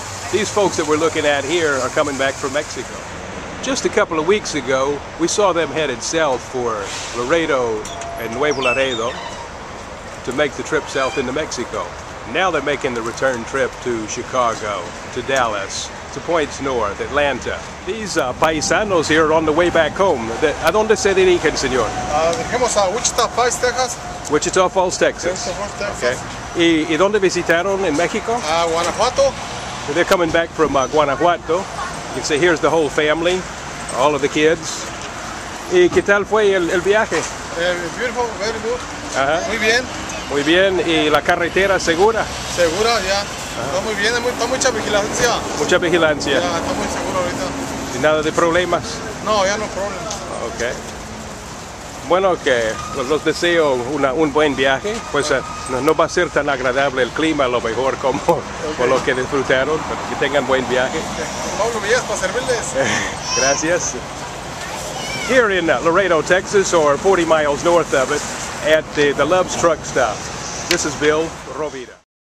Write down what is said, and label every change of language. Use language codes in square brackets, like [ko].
[en] These folks that we're looking at here are coming back from Mexico. Just a couple of weeks ago, we saw them headed south for Laredo and Nuevo Laredo to make the trip south into Mexico. Now they're making the return trip to Chicago, to Dallas, to points north, Atlanta. These paisanos here are on the way back home. [es] ¿A dónde se dirigen, señor? Venimos a Wichita Falls, Texas. Wichita Falls, Texas. [en] Okay. [es] ¿Y dónde visitaron en México? Guanajuato. [en] They're coming back from Guanajuato. You can see here's the whole family, all of the kids. [es] ¿Y qué tal fue el viaje? [en] Beautiful, very good. Uh-huh. [es] Muy bien. Muy bien. ¿Y la carretera segura? Segura, ya. Está muy bien, está mucha vigilancia. Mucha vigilancia. Ya, está muy seguro ahorita. ¿Y nada de problemas? No, ya no problemas. [en] Ok. [es] Bueno, que los deseo un buen viaje. Pues no va a ser tan agradable el clima, a lo mejor, como por lo que disfrutaron, pero que tengan buen viaje. Pablo Villas, para servirles. Gracias. [en] Here in Laredo, Texas, or 40 miles north of it, at the Love's truck stop. This is Bill Rovira.